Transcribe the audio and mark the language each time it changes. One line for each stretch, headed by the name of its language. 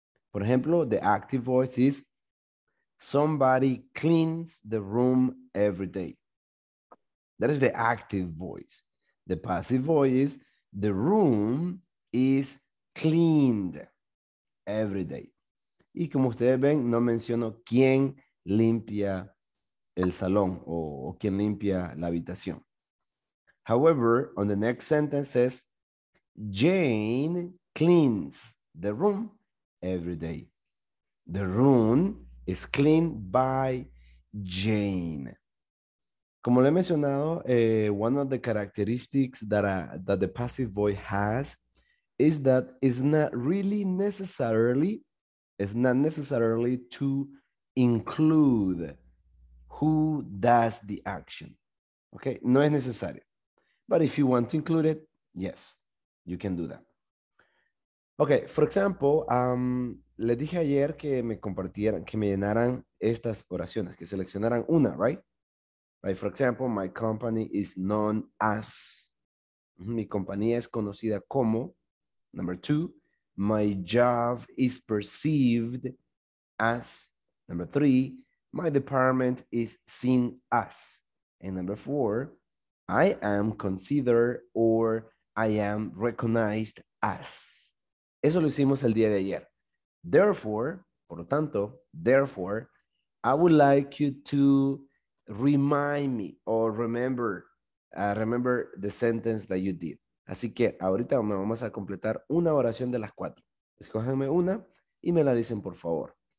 Spanish: Por ejemplo,
English: the active voice is somebody cleans the room every day. That is the active voice. The passive voice is the room is cleaned every day.
Spanish: Y como ustedes ven, no menciono quién limpia el salón o quién limpia la habitación.
English: However, on the next sentence says, Jane cleans the room every day. The room is cleaned by Jane.
Spanish: Como le he mencionado,
English: one of the characteristics that the passive voice has is that it's not necessarily to include who does the action. Okay,
Spanish: no es necesario.
English: But if you want to include it, yes, you can do that. Okay, for example,
Spanish: le dije ayer que me compartieran, que me llenaran estas oraciones, que seleccionaran una,
English: right? Like, for example, my company is known as.
Spanish: Mi compañía es conocida como.
English: Number two, my job is perceived as. Number three, my department is seen as. And number four, I am considered or I am recognized as.
Spanish: Eso lo hicimos el día de ayer.
English: Therefore,
Spanish: por lo tanto,
English: therefore, I would like you to remind me or remember the sentence that you did.
Spanish: Así que ahorita me vamos a completar una oración de las cuatro. Escójanme una y me la dicen, por favor.